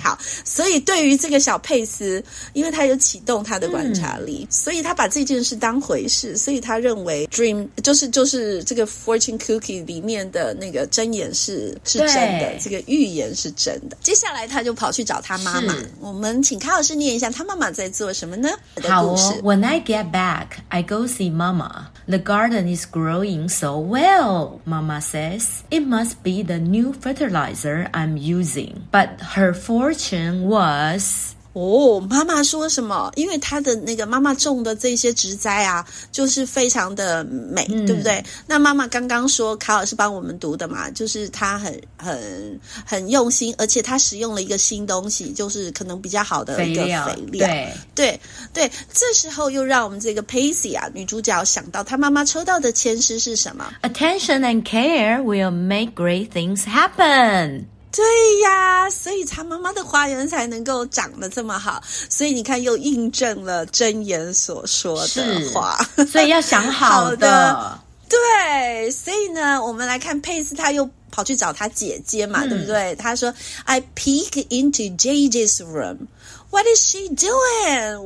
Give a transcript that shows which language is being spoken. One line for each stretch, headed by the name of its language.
Chinese: 好所以对于这个小佩斯因为他有启动他的观察力、所以他把这件事当回事所以他认为 Dream 就是这个 Fortune Cookie 里面的那个真言是真的这个预言是真的接下来他就跑去找他妈妈我们请卡老师念一下他妈妈在做什么呢
English: 好、When I get back I go see mama The garden is growing so well Mama says It must be the new fertilizer I'm using But her fortune was
Chinese: 妈妈说什么因为她的那个妈妈种的这些植栽啊就是非常的美、对不对那妈妈刚刚说卡老师帮我们读的嘛就是她很用心而且她使用了一个新东西就是可能比较好的一个肥料对这时候又让我们这个 Pacey 啊女主角想到她妈妈抽到的签诗是什么
English: Attention and care will make great things happen
Chinese: 对呀所以他妈妈的花园才能够长得这么好所以你看又印证了真言所说的话所以要想好的对所以呢我们来看佩斯他又跑去找他姐姐嘛、对不对他说
English: I peek into JJ's room What is she doing?